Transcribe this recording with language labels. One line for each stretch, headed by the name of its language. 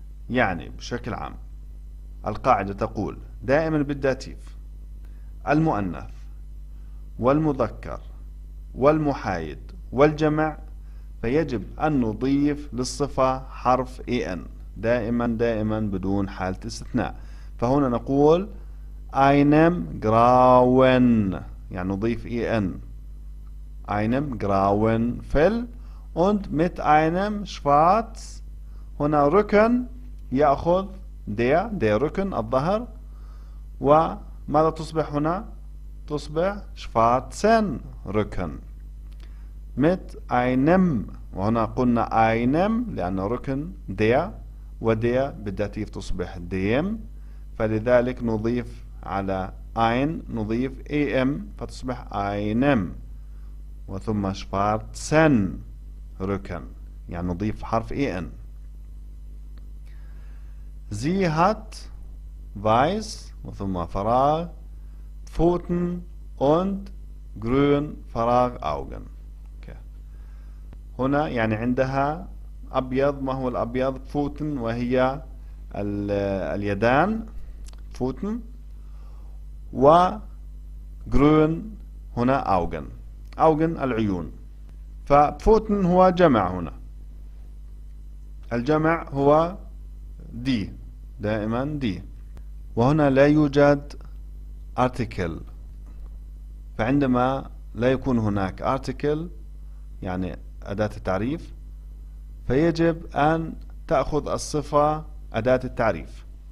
Arabic: يعني بشكل عام القاعدة تقول دائما بالداتيف المؤنث والمذكر والمحايد والجمع، فيجب أن نضيف للصفة حرف an دائما دائما بدون حالة استثناء. فهنا نقول
German: einem grauen،
Arabic: يعني نضيف
German: an einem grauen Fell und mit einem schwarz.
Arabic: هنا ركن يأخذ der ركن الظهر، وماذا تصبح هنا؟ تصبح schwarzen ركن
German: mit einem،
Arabic: وهنا قلنا einem لأن ركن der، وder بالداتيف تصبح dem، فلذلك نضيف على ein نضيف am فتصبح einem، وثم schwarzen ركن يعني نضيف حرف an.
German: Sie hat weiß
Arabic: وثم فراغ
German: Pfoten und grün
Arabic: فراغ
German: Augen.
Arabic: هنا يعني عندها أبيض، ما هو الأبيض؟ Pfoten وهي اليدان Pfoten، و grün هنا Augen، Augen العيون. فبفوتن هو جمع، هنا الجمع هو دي دائما دي، وهنا لا يوجد ارتكل، فعندما لا يكون هناك ارتكل يعني أداة التعريف فيجب أن تأخذ الصفة أداة التعريف.